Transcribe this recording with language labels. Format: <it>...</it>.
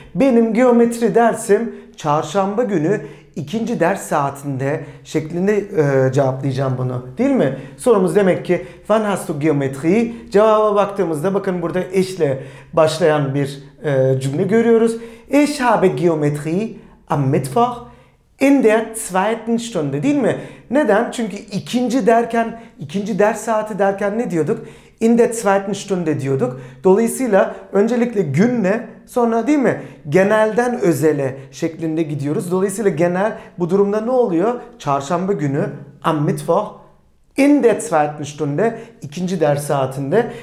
<tr>Benim geometri dersim çarşamba günü ikinci ders saatinde şeklinde cevaplayacağım bunu. Değil mi? Sorumuz demek ki</tr> <de>wann hast du Geometrie?</de> <tr>Cevaba baktığımızda bakın burada ich'le başlayan bir cümle görüyoruz.</tr> <de>Ich habe Geometrie am Mittwoch in der zweiten Stunde.</de> <tr>Değil mi? Neden? Çünkü ikinci ders saati derken ne diyorduk?</tr> <de>In der zweiten Stunde</de> <tr>diyorduk. Dolayısıyla öncelikle günle, sonra değil mi? Genelden özele şeklinde gidiyoruz. Dolayısıyla genel bu durumda ne oluyor? Çarşamba günü</tr> <de>am Mittwoch in der zweiten Stunde,</de> <tr>ikinci ders saatinde.</tr>